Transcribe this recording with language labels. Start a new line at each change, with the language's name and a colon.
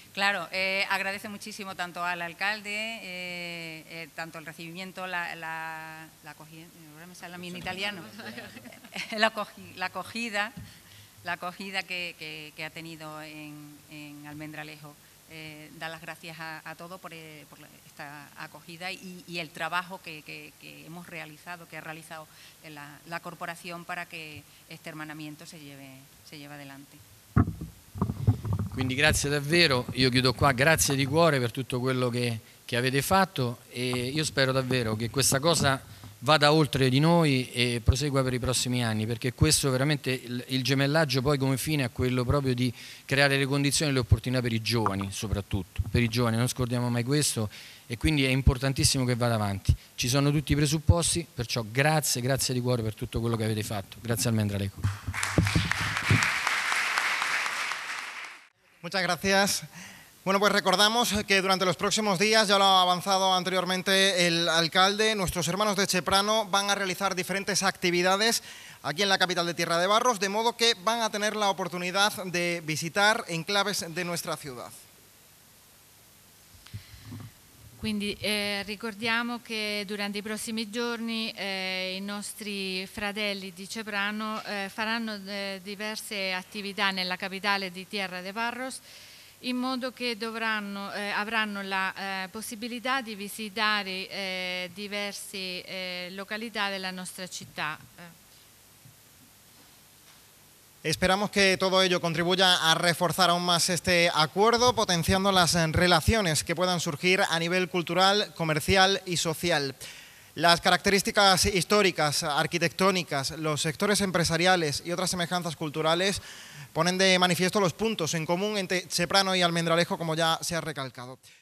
Spanish: Claro, agradece muchísimo tanto al alcalde, tanto el recibimiento, la acogida, ahora me sale a mí en italiano, la acogida que ha tenido en Almendralejo. Da las gracias a todos por esta acogida y el trabajo que hemos realizado, que ha realizado la corporación para que este hermanamiento se lleve adelante.
Italian: Quindi grazie davvero, io chiudo qua, grazie di cuore per tutto quello che avete fatto, e io spero davvero che questa cosa vada oltre di noi e prosegua per i prossimi anni, perché questo veramente il gemellaggio poi come fine ha quello proprio di creare le condizioni e le opportunità per i giovani, soprattutto per i giovani, non scordiamo mai questo, e quindi è importantissimo che vada avanti. Ci sono tutti i presupposti, perciò grazie di cuore per tutto quello che avete fatto. Grazie al Mendralego.
Spanish: Muchas gracias. Bueno, pues recordamos que durante los próximos días, ya lo ha avanzado anteriormente el alcalde, nuestros hermanos de Ceprano van a realizar diferentes actividades aquí en la capital de Tierra de Barros, de modo que van a tener la oportunidad de visitar enclaves de nuestra ciudad.
Italian: Quindi ricordiamo che durante i prossimi giorni i nostri fratelli di Ceprano faranno diverse attività nella capitale di Tierra de Barros, in modo che avranno la possibilità di visitare diverse località della nostra città.
Spanish: Esperamos que todo ello contribuya a reforzar aún más este acuerdo, potenciando las relaciones que puedan surgir a nivel cultural, comercial y social. Las características históricas, arquitectónicas, los sectores empresariales y otras semejanzas culturales ponen de manifiesto los puntos en común entre Ceprano y Almendralejo, como ya se ha recalcado.